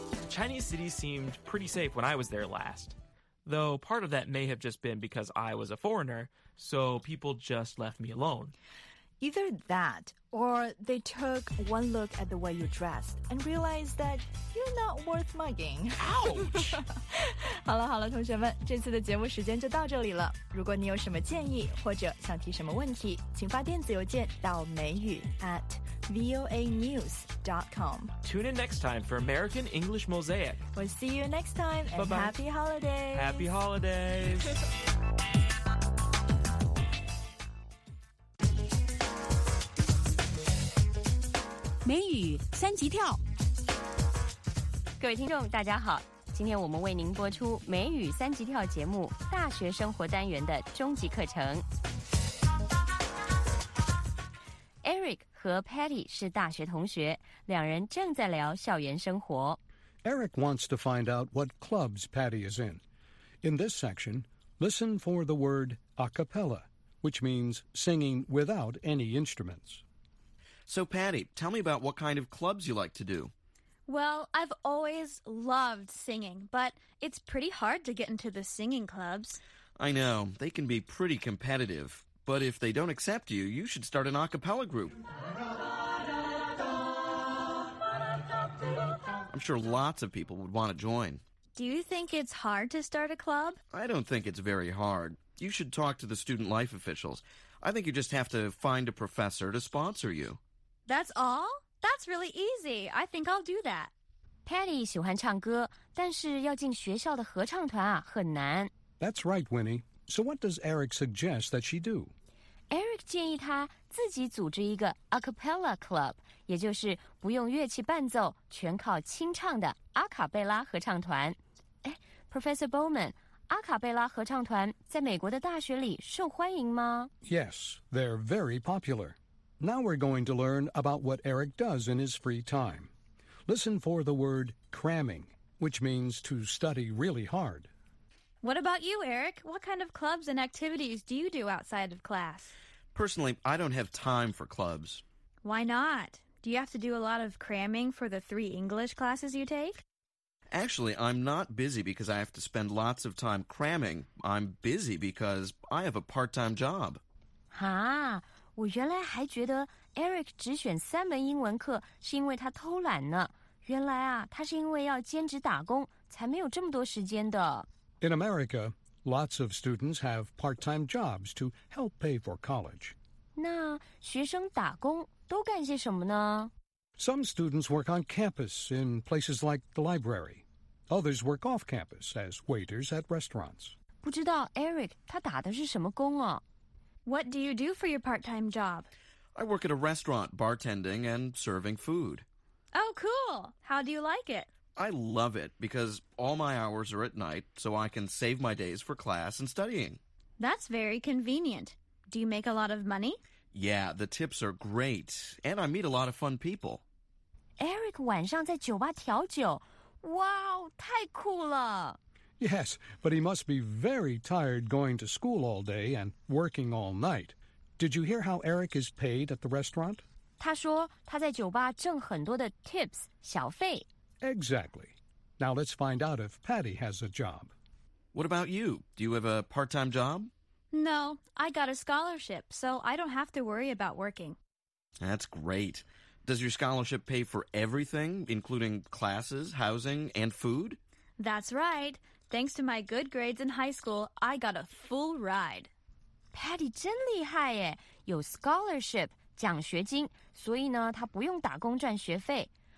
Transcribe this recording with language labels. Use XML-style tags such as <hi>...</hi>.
<en>Chinese city seemed pretty safe when I was there last. Though part of that may have just been because I was a foreigner, so people just left me alone. Either that, or they took one look at the way you dressed and realized that you're not worth mugging. Ouch!</en> <zh>好了好了，同学们，这次的节目时间就到这里了。如果你有什么建议或者想提什么问题，请发电子邮件到美语 @voanews.com.</zh> <en>Tune in next time for American English Mosaic. We'll see you next time and Bye-bye. Happy holidays! Happy holidays!</en> <zh>美语三级跳，各位听众大家好，今天我们为您播出美语三级跳节目大学生活单元的终极课程。 Eric 和 Patty 是大学同学，两人正在聊校园生活。</zh> <en>Eric wants to find out what clubs Patty is in. In this section, listen for the word a cappella, which means singing without any instruments So, Patty, tell me about what kind of clubs you like to do. Well, I've always loved singing, but it's pretty hard to get into the singing clubs. I know, they can be pretty competitive. But if they don't accept you, you should start an a cappella group. I'm sure lots of people would want to join. Do you think it's hard to start a club? I don't think it's very hard. You should talk to the student life officials. I think you just have to find a professor to sponsor you. That's all? That's really easy. I think I'll do that.</en> <zh>Patty 喜欢唱歌，但是要进学校的合唱团啊，很难。</zh> <en>That's right, Winnie. So what does Eric suggest that she do?</en> <zh>Eric 建议他自己组织一个 a cappella club, 也就是不用乐器伴奏，全靠清唱的阿卡贝拉合唱团。哎，Professor Bowman, 阿卡贝拉合唱团在美国的大学里受欢迎吗？</zh> <en>Yes, they're very popular. Now we're going to learn about what Eric does in his free time. Listen for the word cramming, which means to study really hard. What about you, Eric? What kind of clubs and activities do you do outside of class? Personally, I don't have time for clubs. Why not? Do you have to do a lot of cramming for the three English classes you take? Actually, I'm not busy because I have to spend lots of time cramming. I'm busy because I have a part-time job. Huh?</en> <zh>我原来还觉得 Eric 只选三门英文课是因为他偷懒呢。原来啊，他是因为要兼职打工，才没有这么多时间的。</zh> <en>In America, lots of students have part-time jobs to help pay for college.</en> <zh>那学生打工都干些什么呢？</zh> <en>Some students work on campus in places like the library. Others work off campus as waiters at restaurants.</en> <zh>不知道 Eric 他打的是什么工啊？</zh> <en>What do you do for your part-time job? I work at a restaurant, bartending and serving food. Oh, cool. How do you like it? I love it because all my hours are at night, so I can save my days for class and studying. That's very convenient. Do you make a lot of money? Yeah, the tips are great, and I meet a lot of fun people.</en> <zh>Eric 晚上在酒吧调酒。 Wow, 太酷了。</zh> <en>Yes, but he must be very tired going to school all day and working all night. Did you hear how Eric is paid at the restaurant?</en> <zh>他说他在酒吧挣很多的 tips, 小费。</zh> <en>Exactly. Now let's find out if Patty has a job. What about you? Do you have a part-time job? No, I got a scholarship, so I don't have to worry about working. That's great. Does your scholarship pay for everything, including classes, housing, and food? That's right. Thanks to my good grades in high school, I got a full ride.</en> <zh>Patty 真厉害耶，有 scholarship, 奖学金，所以呢，她不用打工赚学费。</zh>